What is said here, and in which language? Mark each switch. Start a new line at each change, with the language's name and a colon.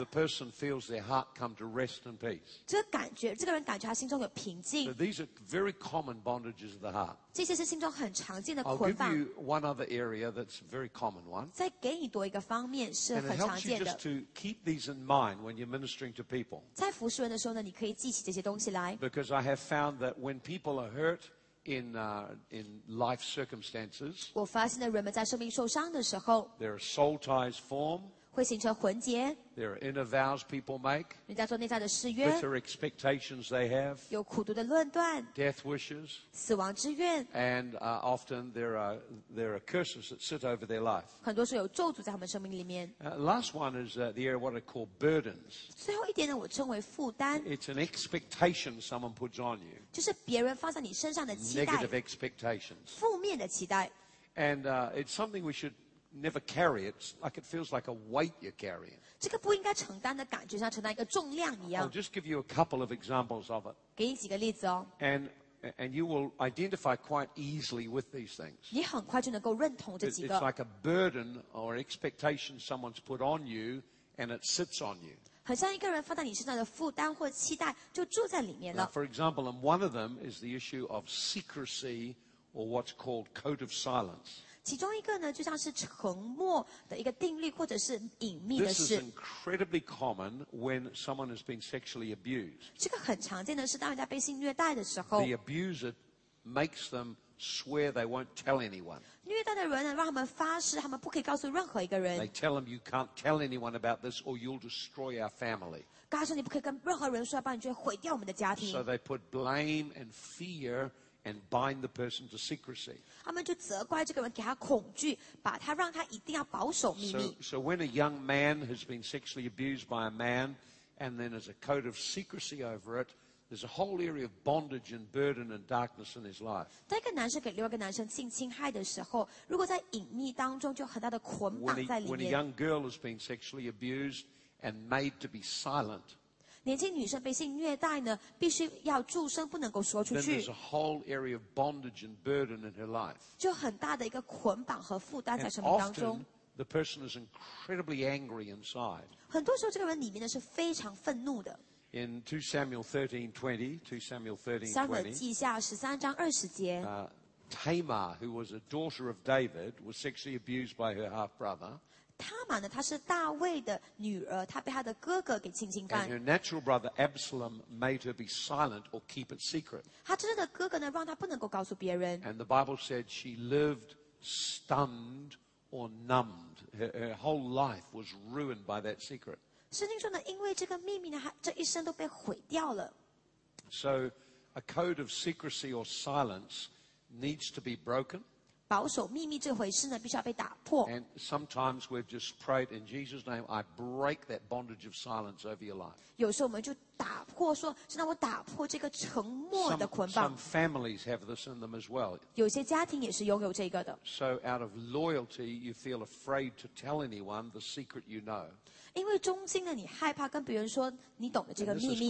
English: The person feels their heart come to rest and peace.
Chinese: 这个感觉，这个人感觉他心中有平静。
English: So these are very common bondages of the heart.
Chinese: 这些是心中很常见的捆绑。
English: I'll give you one other area that's a very common one.
Chinese: 再给你多一个方面是很常见的。
English: And it helps you just to keep these in mind when you're ministering to people.
Chinese: 在服侍人的时候呢，你可以记起这些东西来。
English: Because I have found that when people are hurt,In life circumstances,
Chinese: 我发现了人们在生命受伤的时候，
English: there are soul ties form,
Chinese: 会形成魂结，
English: there are inner vows people make,
Chinese: 人家做内在的誓约，
English: bitter expectations they have,
Chinese: 有苦毒的论断，
English: death wishes,
Chinese: 死亡之愿，
English: and often there are curses that sit over their life.
Chinese: 很多时候有咒诅在他们生命里面。
English: Last one is the area what I call burdens.
Chinese: 最后一点呢，我称为负担。
English: It's an expectation someone puts on you.
Chinese: 就是别人放在你身上的期待。
English: Negative expectations.
Chinese: 负面的期待。
English: And it's something we should never carry. It's like it feels like a weight you're carrying.
Chinese: 这个不应该承担的感觉，像承担一个重量一样。
English: I'll just give you a couple of examples of it.
Chinese: 给你几个例子哦。
English: And you will identify quite easily with these things.
Chinese: 你很快就能够认同这几个。
English: It's like a burden or expectation someone's put on you, and it sits on you.
Chinese: 很像一个人放在你身上的负担或期待，就住在里面了。
English: Now, for example, and one of them is the issue of secrecy, or what's called code of silence.
Chinese: 其中一个呢，就像是沉默的一个定律，或者是隐秘的事。
English: This is incredibly common when someone has been sexually abused.
Chinese: 这个很常见的是，当人家被性虐待的时候。
English: The abuser makes them swear they won't tell anyone.
Chinese: 虐待的人呢，让他们发誓，他们不可以告诉任何一个人。
English: They tell them you can't tell anyone about this, or you'll destroy our family.
Chinese: 告诉你不可以跟任何人说，不然你就会毁掉我们的家庭。
English: So they put blame and fear. And bind the person to secrecy.
Chinese: 他们就责怪这个人，给他恐惧，把他让他一定要保守秘密。
English: So when a young man has been sexually abused by a man, and then there's a code of secrecy over it, there's a whole area of bondage and burden and darkness in his life.
Chinese: 当一个男生给另外一个男生性侵害的时候，如果在隐秘当中，就有很大的捆绑在里面。
English: When a young girl has been sexually abused and made to be silent.
Chinese: 年轻女生被性虐待呢，必须要注声，不能够说出去。
English: Then there's a whole area of bondage and burden in her life.
Chinese: 就很大的一个捆绑和负担在生命当中。
English: And often, the person is incredibly angry inside.
Chinese: 很多时候，这个人里面呢是非常愤怒的。
English: In 2 Samuel 13:20, 2 Samuel 13:20. Tamar, who was a daughter of David, was sexually abused by her half brother.
Chinese: Tamar 呢，她是大卫的女儿，她被她的哥哥给亲亲干。
English: And her natural brother Absalom made her be silent or keep it secret.
Chinese: 她真正的哥哥呢，让她不能够告诉别人。
English: And the Bible said she lived stunned or numbed. Her whole life was ruined by that secret.
Chinese: 圣经说呢，因为这个秘密呢，她这一生都被毁掉了。
English: So a code of secrecy or silence needs to be broken.
Chinese: 保守秘密这回事呢，必须要被打破。
English: And sometimes we've just prayed in Jesus' name, I break that bondage of silence over your life.
Chinese: 有时候我们就打破说，是让我打破这个沉默的捆绑。
English: Some families have this in them as well.
Chinese: 有些家庭也是拥有这个的。
English: So out of loyalty, you feel afraid to tell anyone the secret you know.
Chinese: 因为忠心的你害怕跟别人说你懂的这个秘密。